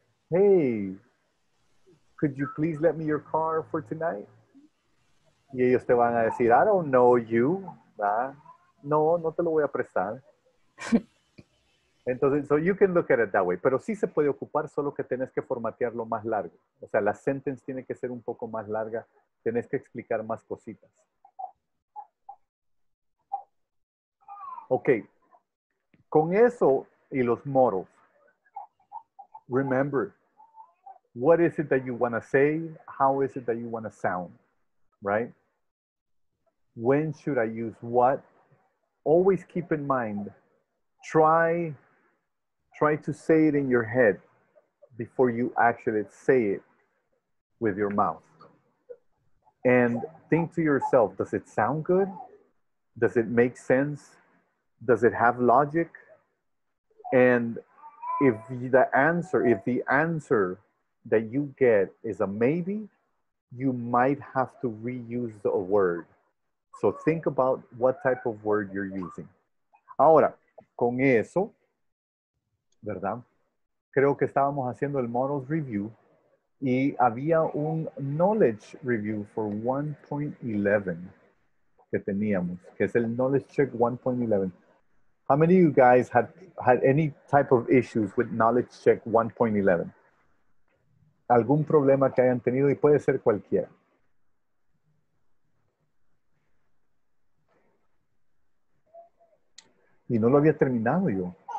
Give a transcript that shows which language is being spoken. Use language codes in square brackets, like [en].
[en] Hey, could you please let me your car for tonight? [es] Y ellos te van a decir, [en] I don't know you, [es] ¿verdad? No, no te lo voy a prestar. [en] Entonces, so you can look at it that way. [es] Pero sí se puede ocupar, solo que tenés que formatearlo más largo. O sea, la sentence tiene que ser un poco más larga. Tenés que explicar más cositas. Ok. Con eso y los [en] models, remember, what is it that you want to say? How is it that you want to sound? Right? When should I use what? Always keep in mind, try to say it in your head before you actually say it with your mouth. And think to yourself, does it sound good? Does it make sense? Does it have logic? And if the answer that you get is a maybe, you might have to reuse the word. So think about what type of word you're using. [es] Ahora, con eso, ¿verdad? Creo que estábamos haciendo el models review y había un knowledge review for 1.11 que teníamos, que es el knowledge check 1.11. [en] How many of you guys had any type of issues with knowledge check 1.11? [es] ¿Algún problema que hayan tenido? Y puede ser cualquiera. Y no lo había terminado yo.